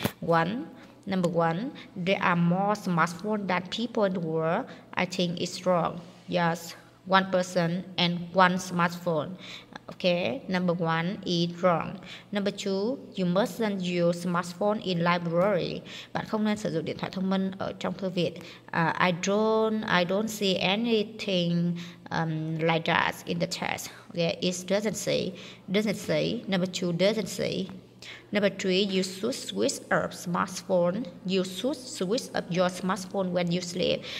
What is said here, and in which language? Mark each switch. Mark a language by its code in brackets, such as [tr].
[en] 1, number 1, there are more smartphones than people in the world. I think it's wrong. Yes. One person and one smartphone. Okay, number one is wrong. Number two, you mustn't use smartphone in library. [vi] Bạn không nên sử dụng điện thoại thông minh ở trong thư viện. [en] I don't see anything like that in the text. Okay, it doesn't say. Number two, doesn't say. Number three, You should switch up your smartphone when you sleep.